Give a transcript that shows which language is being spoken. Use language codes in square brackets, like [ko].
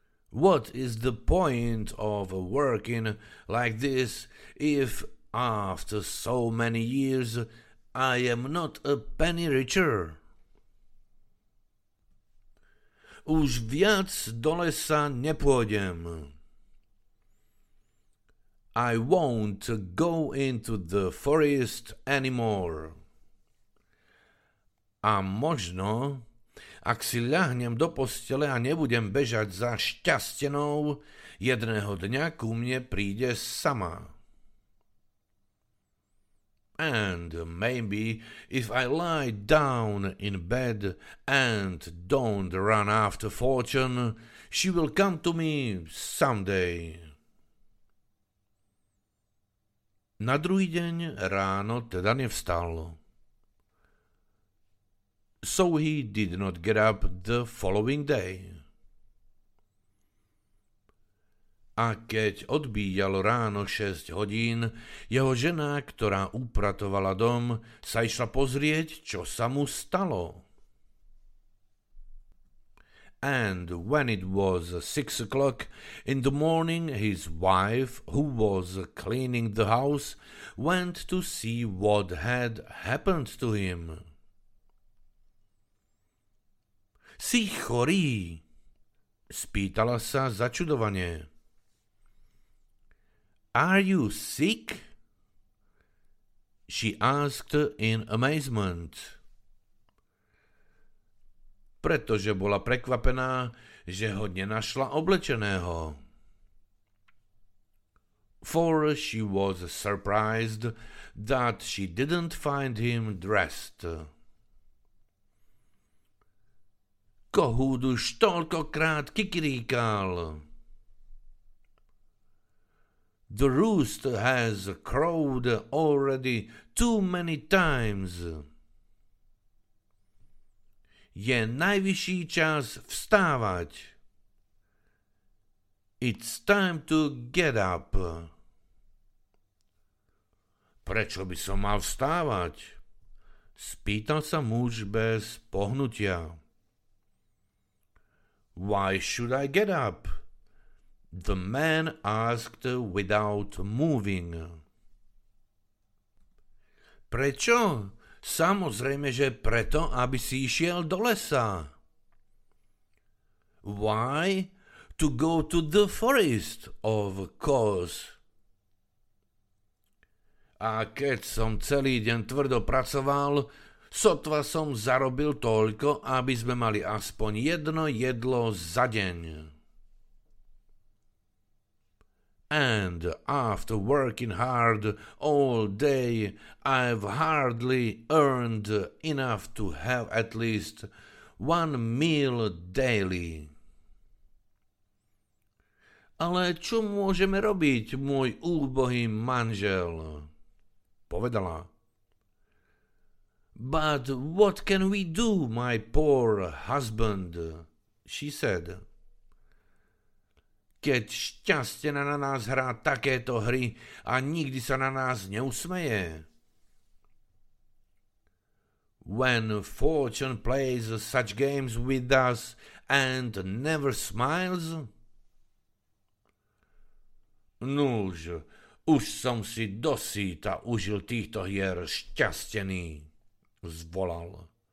[en] What is the point of working like this if after so many years I am not a penny richer? [sk] Už viac do lesa nepôjdem. [en] I won't go into the forest anymore. [sk] A možno, ak si ľahnem do postele a nebudem bežať za šťastenou, jedného dňa ku mne príde sama. [en] And maybe if I lie down in bed and don't run after fortune, she will come to me someday. [sk] Na druhý deň ráno teda nevstal. [en] So he did not get up the following day. [sk] A keď odbíjalo ráno 6 hodín, jeho žena, ktorá upratovala dom, sa išla pozrieť, čo sa mu stalo. [en] And when it was 6 o'clock in the morning, his wife, who was cleaning the house, went to see what had happened to him. [sk] Si chorý? Spýtala sa začudovane. [en] Are you sick? She asked in amazement. [sk] Pretože bola prekvapená, že ho nenašla oblečeného. [en] For she was surprised that she didn't find him dressed. [sk] Kohúd už toľkokrát kikiríkal. [en] The roost has crowed already too many times. [sk] Je najvyšší čas vstávať. [en] It's time to get up. [sk] Prečo by som mal vstávať? Spýtal sa muž bez pohnutia. [en] Why should I get up? The man asked without moving. [sk] Prečo? Samozrejme, že preto, aby si išiel do lesa. [en] Why? To go to the forest, of course. [sk] A keď som celý deň tvrdo pracoval, sotva som zarobil toľko, aby sme mali aspoň jedno jedlo za deň. [en] And after working hard all day, I've hardly earned enough to have at least one meal daily. [sk] Ale čo môžeme robiť, môj úbohý manžel? Povedala. [en] But what can we do, my poor husband? She said. [sk] Keď šťastie na nás hrá takéto hry a nikdy sa na nás neusmeje. [en] When fortune plays such games with us and never smiles? [sk] Nuž, už som si dosýta užil týchto hier šťastený, zvolal.